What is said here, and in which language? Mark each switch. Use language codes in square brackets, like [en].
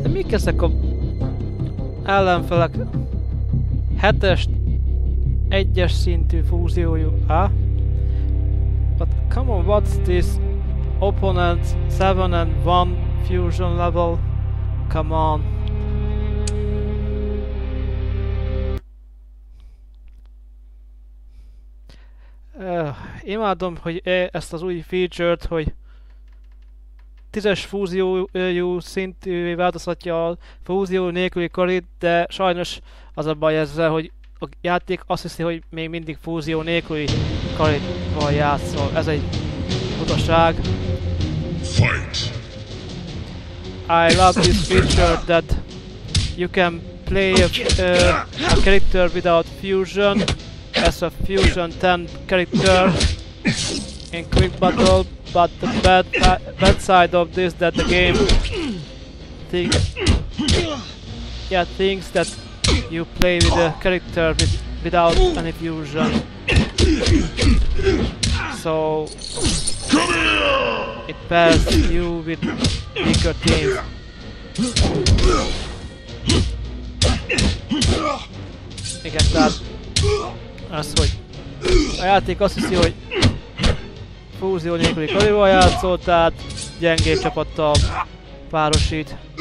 [hu] Ezek a ellenfelek 7-es, 1-es szintű fúziójuk, ha? [en] But come on, what's this opponent 7 and 1 fusion level? Come on. [hu] Imádom, hogy ezt az új feature-t, hogy 10-es fúziójú szintű változhatja a fúzió nélküli karit, de sajnos az a baj ezzel, hogy a játék azt hiszi, hogy még mindig fúzió nélküli karitval játszol. Ez egy butaság. [en] Fight. I love this feature that you can play a character without fusion as a fusion 10 character in quick battle, but the bad side of this that the game thinks that you play with a character without any fusion. So it pairs you with weaker team. [hu] Igen, tehát az, hogy a játék azt hiszi, hogy fúzió nélküli kalival játszol, tehát gyengébb csapattal párosít.